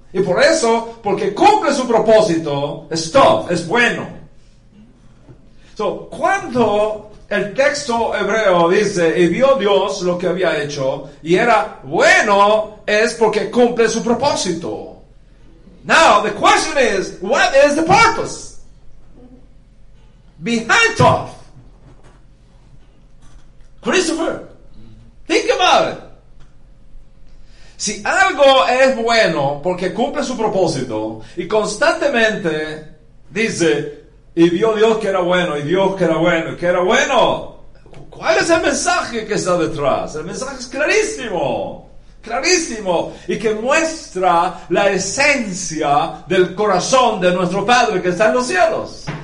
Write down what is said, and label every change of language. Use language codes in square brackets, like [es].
[es] Y por eso, porque cumple su propósito, es tof, es bueno. So, cuando el texto hebreo dice, y vio Dios lo que había hecho, y era bueno, es porque cumple su propósito. [en] Now, the question is, what is the purpose? Behind tof. Christopher, think about it. [es] Si algo es bueno porque cumple su propósito y constantemente dice, y vio Dios que era bueno, y Dios que era bueno, que era bueno, ¿cuál es el mensaje que está detrás? El mensaje es clarísimo, clarísimo, y que muestra la esencia del corazón de nuestro Padre que está en los cielos.